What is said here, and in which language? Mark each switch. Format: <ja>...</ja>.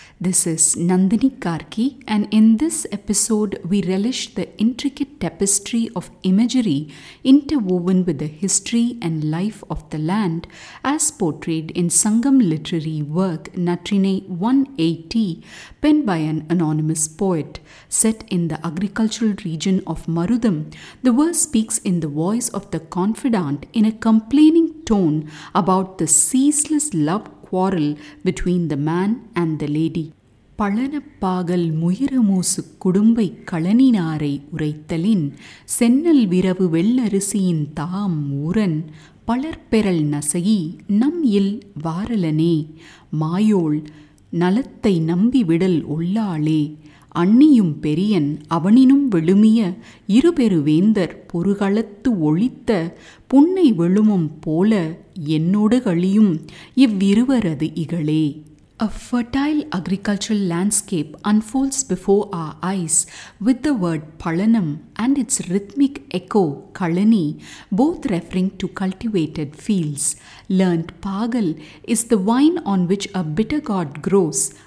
<en>This is Nandini Karki, and in this episode we relish the intricate tapestry of imagery interwoven with the history and life of the land as portrayed in Sangam literary work Natrinai 180, penned by an anonymous poet. Set in the agricultural region of Marutham, the verse speaks in the voice of the confidante in a complaining tone about the ceaseless love-quarrel between the man and the lady.</en> <ta>பழனப்பாகல் முயிரமூசு குடும்பை கழனினாரை உரைத்தலின் சென்னல் விரவு வெள்ளரிசியின் தாம் ஊரன் பலர்பெறல் நசகி நம் இல் வாரலனே மாயோள் நலத்தை நம்பி விடல் உள்ளாளே அண்ணியும் பெரியன் அவனினும் விழுமிய இருபெருவேந்தர் பொறுகளத்து ஒழித்த புன்னை விழுமும் போல என்னோடு கழியும் இவ்விருவரது இகழே.</ta> <en>A fertile agricultural landscape unfolds before our eyes with the word palanam and its rhythmic echo kalani, both referring to cultivated fields. Learnt pagal is the vine on which a bitter gourd grows.</en>